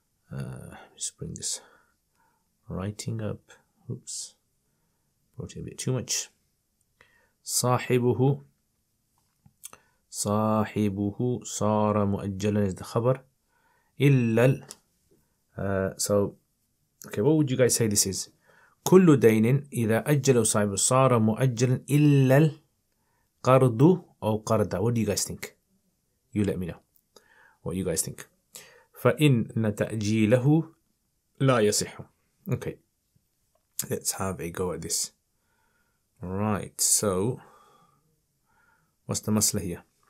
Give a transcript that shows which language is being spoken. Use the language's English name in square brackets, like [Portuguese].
[English] Let's bring this writing up. Oops, brought it a bit too much. [Arabic] صاحبه صاحبه صار مؤجلا [English] is the [Arabic] خبر. [English] إلا ال so okay, what would you guys say this is? [Arabic] كل دين إذا أجله صاحبه صار مؤجلا إلا القرض أو قرض. [English] What do you guys think? You let me know what you guys think. [Arabic] فإن تأجيله لا يصح. [English] Okay, let's have a go at this. Right, so what's the masla here?